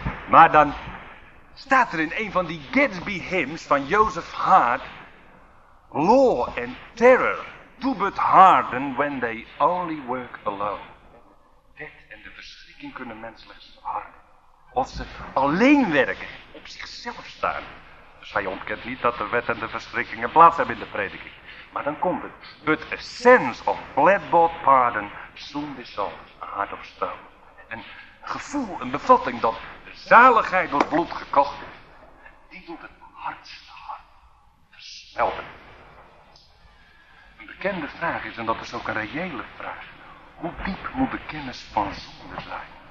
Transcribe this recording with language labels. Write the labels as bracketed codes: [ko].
[nl] Maar dan staat er in een van die Gatsby hymns van Joseph Hart, [en] law and terror do but harden when they only work alone. [nl] Dit en de verschrikking kunnen menselijk harden. Als ze alleen werken, op zichzelf staan. Dus hij ontkent niet dat de wet en de verschrikking een plaats hebben in de prediking. Maar dan komt het. [en] But a sense of blood-bought pardon soon dissolves a heart of stone. [nl] Een gevoel, een bevatting dat de zaligheid door bloed gekocht is, die doet het hardste hart versmelten. Een bekende vraag is, en dat is ook een reële vraag, hoe diep moet de kennis van zonde zijn?